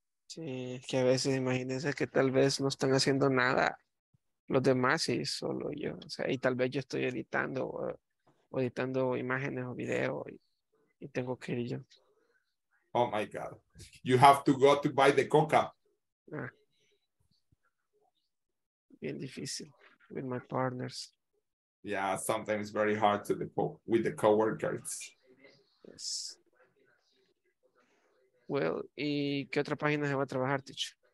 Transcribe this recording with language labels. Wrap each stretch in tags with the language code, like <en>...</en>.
<es>Sí, que a veces imagínense que tal vez no están haciendo nada los demás y solo yo. O sea, y tal vez yo estoy editando o editando imágenes o videos y tengo que ir yo.</es> <en>Oh my God. You have to go to buy the coca. Ah.</en> <es>Bien difícil</es> <en>with my partners. Yeah, sometimes very hard to the with the coworkers. Yes.</en> <es>Well, ¿y qué otra página se va a trabajar, teacher?</es>